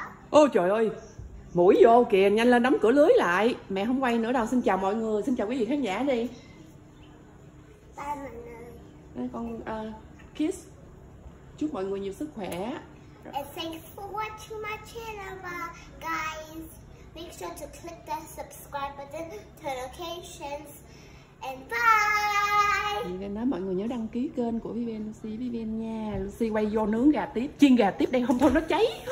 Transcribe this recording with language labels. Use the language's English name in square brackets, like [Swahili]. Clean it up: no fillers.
[Vietnamese] Ô trời ơi, mũi vô kìa, nhanh lên đóng cửa lưới lại. Mẹ không quay nữa đâu, xin chào mọi người, xin chào quý vị khán giả đi. Đây con kiss. Chúc mọi người nhiều sức khỏe. [English] And thanks for watching my channel, guys. Make sure to click the subscribe button, turn notifications, and bye. [Vietnamese] Vivian nói mọi người nhớ đăng ký kênh của Vivian Lucy nha. Lucy quay vô nướng gà tiếp, chiên gà tiếp đây không thôi nó cháy.